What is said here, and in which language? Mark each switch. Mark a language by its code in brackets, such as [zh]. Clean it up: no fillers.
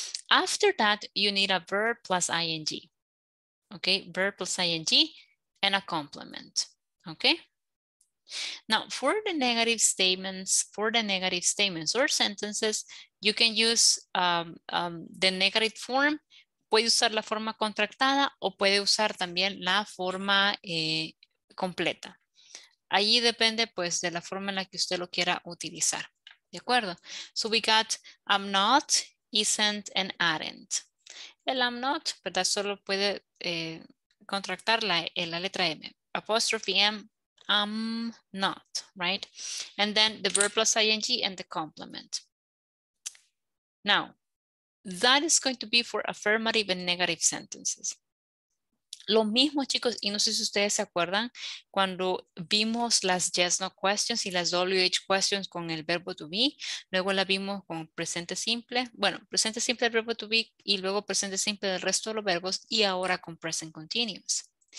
[en] After that, you need a verb plus ing. Okay, verb plus ing and a complement. Okay. Now, for the negative statements, or sentences, you can use the negative form. [es] Puede usar la forma contractada o puede usar también la forma completa. Ahí depende, pues, de la forma en la que usted lo quiera utilizar. ¿De acuerdo? [en] So we got am not, isn't, and aren't. [es] El am not, ¿verdad? Solo puede contractar la letra M. [en] Apostrophe M, am not, right? And then the verb plus ing and the complement. Now, that is going to be for affirmative and negative sentences. [es] Lo mismo, chicos, y no sé si ustedes se acuerdan cuando vimos las [en] yes, no questions [es] y las WH questions con el verbo to be, luego la vimos con presente simple, bueno, presente simple del verbo to be y luego presente simple del resto de los verbos y ahora con [en] present continuous.